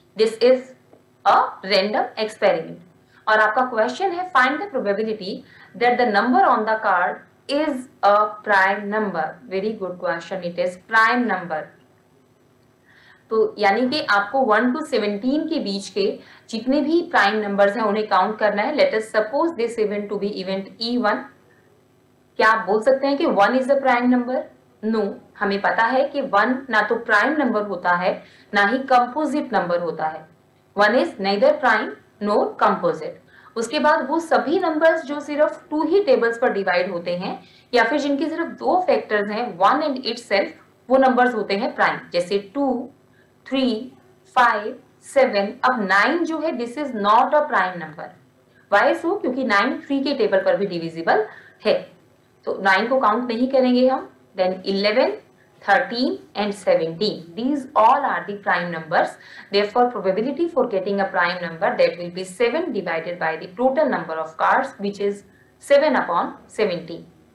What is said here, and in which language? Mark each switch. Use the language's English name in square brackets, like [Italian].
[English] this is a random experiment [Hindi] और आपका question है [English] Find the probability that the number on the card is a prime number. Very good question. It is prime number. [Hindi] तो यानी कि आपको 1 to 17 के बीच के जितने भी prime numbers हैं उन्हें count करना है. [English] Let us suppose this event to be event E1. [Hindi] क्या आप बोल सकते हैं कि [English] 1 is a prime number? No. [Hindi] हमें पता है कि 1 ना तो prime number होता है, ना ही composite number होता है. [English] 1 is neither prime nor composite. [Hindi] उसके बाद वो सभी नंबर्स जो सिर्फ 2 ही टेबल्स पर डिवाइड होते हैं या फिर जिनके सिर्फ 2 फैक्टर्स हैं 1 एंड इटसेल्फ, वो नंबर्स होते हैं प्राइम, जैसे 2, 3, 5, 7। अब 9 जो है [English] this is not a prime number, [Hindi] why so, क्योंकि 9 3 के टेबल पर भी डिविजिबल है तो 9 को काउंट नहीं करेंगे हम। [English] Then 11, 13 and 17, these all are the prime numbers. Therefore, probability for getting a prime number that will be 7 divided by the total number of cards, which is 7/17.